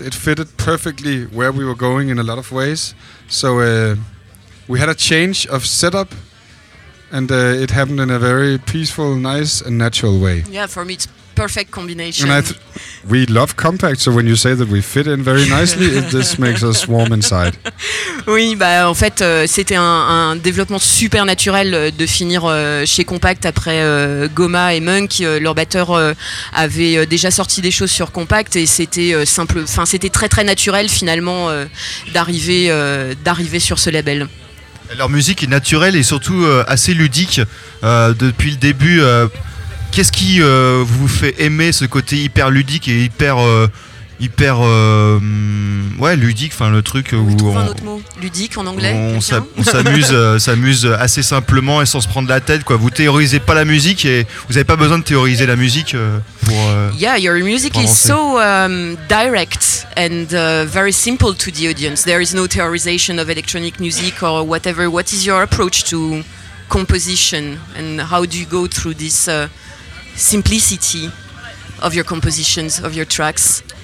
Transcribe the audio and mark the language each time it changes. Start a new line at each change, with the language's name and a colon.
English: It fitted perfectly where we were going in a lot of ways. So we had a change of setup, and it happened in a very peaceful, nice, and natural way. Yeah, for me it's perfect combination. And we love compact, so when you say that we fit in very nicely, this makes us warm inside.
French: Oui, bah, en fait, c'était un développement super naturel de finir chez Compact après Goma et Monk. Leur batteur avait déjà sorti des choses sur Compact et c'était simple. Enfin, c'était très très naturel finalement d'arriver sur ce label. Leur musique est naturelle et surtout assez ludique depuis le début. Qu'est-ce qui vous fait aimer ce côté hyper ludique et hyper hyper ouais ludique, enfin le truc où on trouve un autre mot, ludique en anglais. On s'amuse, s'amuse assez simplement et sans se prendre la tête, quoi. Vous théorisez pas la musique et vous avez pas besoin de théoriser la musique pour.
English: Yeah, your music is so direct and very simple to the audience. There is no theorization of electronic music or whatever. What is your approach to composition and how do you go through this simplicity of your compositions, of your tracks?